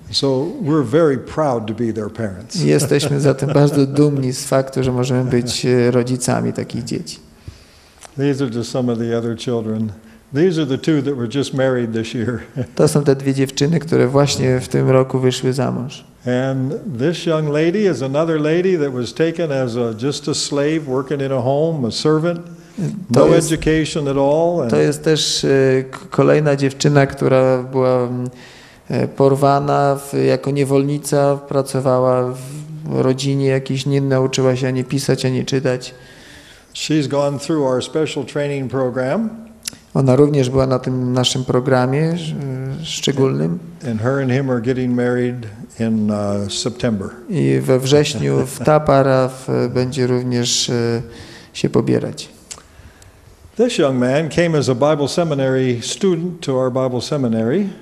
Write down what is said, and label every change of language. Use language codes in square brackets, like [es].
[en] So we're very proud to be their parents. [pl] Jesteśmy zatem bardzo dumni z faktu, że możemy być rodzicami takich dzieci. [en] These are just some of the other children. These are the two that were just married this year. [pl] To są te dwie dziewczyny, które właśnie w tym roku wyszły za mąż. [en] And this young lady is another lady that was taken as just a slave working in a home, a servant. No education at all. [pl] To jest też kolejna dziewczyna, która była porwana jako niewolnica, pracowała w rodzinie jakiejś, nie nauczyła się ani pisać, ani czytać. [en] She's gone through our special training program. [pl] Ona również była na tym naszym programie szczególnym. [en] And her and him are getting married in September. [pl] I we wrześniu ta para będzie również się pobierać. [en] This young man came as a Bible seminary student to our Bible seminary.